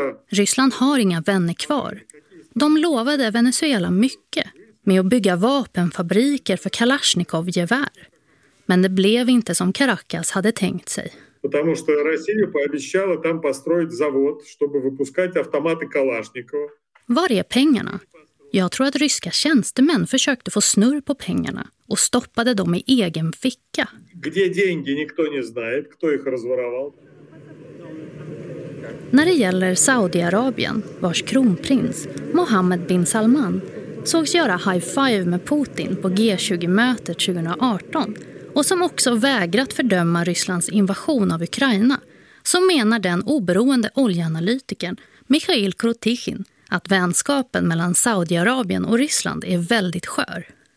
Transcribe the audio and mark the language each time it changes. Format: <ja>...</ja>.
<sv>Ryssland har inga vänner kvar. De lovade Venezuela mycket med att bygga vapenfabriker för Kalashnikov-gevär. Men det blev inte som Caracas hade tänkt sig.</sv> <ru>Потому что Россия пообещала там построить завод, чтобы выпускать автоматы Калашникова.</ru> <sv>Var är pengarna? Jag tror att ryska tjänstemän försökte få snurr på pengarna och stoppade dem i egen ficka.</sv> <ru>Где деньги, никто не знает, кто их разворовал.</ru> <sv>När det gäller Saudiarabien, vars kronprins Mohammed bin Salman sågs göra high five med Putin på G20-mötet 2018. Och som också vägrat fördöma Rysslands invasion av Ukraina, så menar den oberoende oljeanalytikern Mikhail Krutikin att vänskapen mellan Saudiarabien och Ryssland är väldigt skör.</sv>